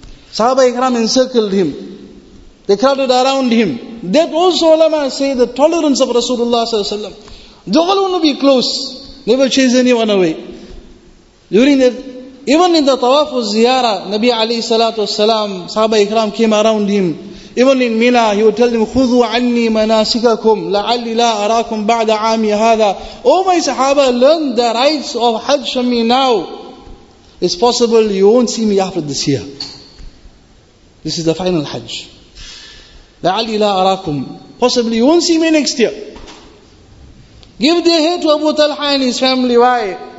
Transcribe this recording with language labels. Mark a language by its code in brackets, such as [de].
[en] Sahaba ikram encircled him. They crowded around him. That also, ulama say, the tolerance of Rasulullah sallallahu alayhi wasallam. They all want to be close, never chase anyone away. During that, even in the tawaf of ziyara, Nabi alayhi salatu wasalam, sahaba ikram came around him. Even in Mina, he would tell them, [ar] خُذُوا عَنِّي مَنَاسِكَكُمْ لَعَلِّي لَا أَرَاكُمْ بَعْدَ عَامِي هَذَا. [en] Oh my sahaba, learn the rites of Hajj from me now. It's possible you won't see me after this year. This is the final Hajj. [ar] لَعَلِّي لَا أَرَاكُمْ. [en] Possibly you won't see me next year. Give their hair to Abu Talha and his family. Why?